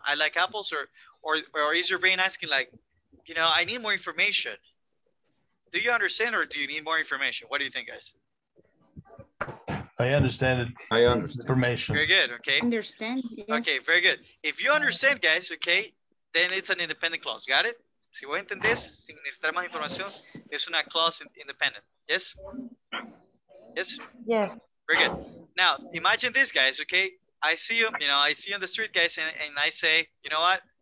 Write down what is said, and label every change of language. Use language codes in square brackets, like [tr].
[en] I like apples, or is your brain asking like, you know, I need more information. Do you understand or do you need more information? What do you think, guys? I understand it. I understand. Information. Very good, okay. Understand, yes. Okay, very good. If you understand, guys, okay, then it's an independent clause, got it? [es] Si vos entendés, sin necesitar más información, es una clause independent, yes? [en] Yes? Yes. Very good. Now, imagine this, guys, okay? I see you, you know, I see you on the street, guys, and I say, you know what?